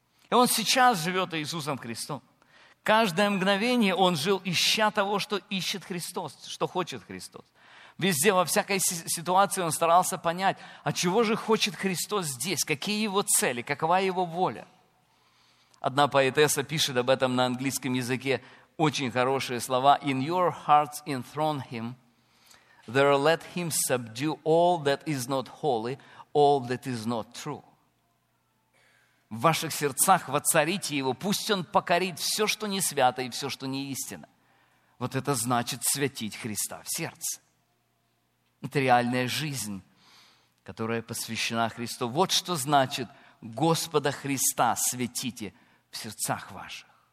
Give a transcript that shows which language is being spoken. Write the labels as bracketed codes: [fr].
[ru] И он сейчас живет Иисусом Христом. Каждое мгновение он жил, ища того, что ищет Христос, что хочет Христос. Везде, во всякой ситуации он старался понять, а чего же хочет Христос здесь, какие его цели, какова его воля. Одна поэтесса пишет об этом на английском языке очень хорошие слова. [en] In your hearts enthrone him, there let him subdue all that is not holy, all that is not true. [ru] В ваших сердцах воцарите его, пусть он покорит все, что не свято и все, что не истинно. Вот это значит святить Христа в сердце. Это реальная жизнь, которая посвящена Христу. Вот что значит Господа Христа святите в сердцах ваших.